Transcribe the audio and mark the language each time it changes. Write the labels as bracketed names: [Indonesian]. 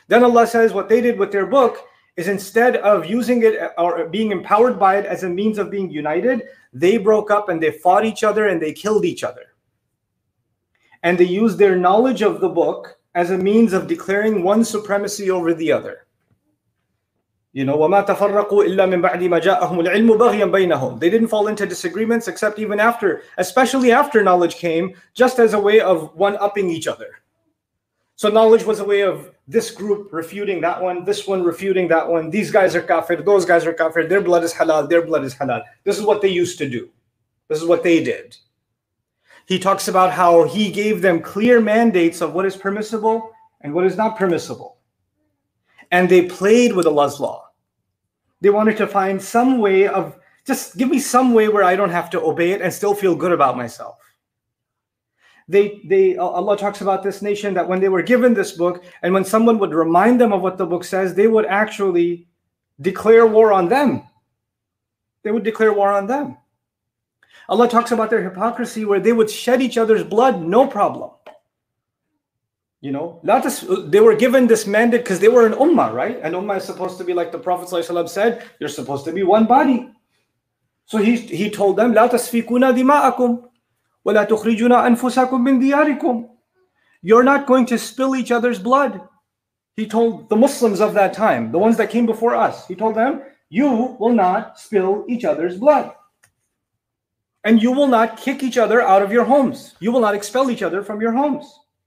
[English] Then Allah says what they did with their book is instead of using it or being empowered by it as a means of being united, they broke up and they fought each other and they killed each other. And they used their knowledge of the book as a means of declaring one supremacy over the other. You know, [Arabic] وَمَا تَفَرَّقُوا إِلَّا مِنْ بَعْدِ مَا جَاءَهُمُ الْعِلْمُ بَغْيًا بَيْنَهُمْ. [English] They didn't fall into disagreements except even after, especially after knowledge came, just as a way of one-upping each other. So knowledge was a way of this group refuting that one, this one refuting that one, these guys are kafir, those guys are kafir, their blood is halal, their blood is halal. This is what they used to do. This is what they did. He talks about how he gave them clear mandates of what is permissible and what is not permissible. And they played with Allah's law. They wanted to find some way of, just give me some way where I don't have to obey it and still feel good about myself. They Allah talks about this nation that when they were given this book and when someone would remind them of what the book says, they would actually declare war on them. They would declare war on them. Allah talks about their hypocrisy where they would shed each other's blood, no problem. You know, they were given this mandate because they were an ummah, right? And ummah is supposed to be like the Prophet ﷺ said, you're supposed to be one body. So he told them, [Arabic] لَا تَسْفِكُونَ دِمَاءَكُمْ وَلَا تُخْرِجُونَ أَنفُسَكُمْ مِنْ دِيَارِكُمْ. [English] You're not going to spill each other's blood. He told the Muslims of that time, the ones that came before us, he told them, you will not spill each other's blood. And you will not kick each other out of your homes. You will not expel each other from your homes.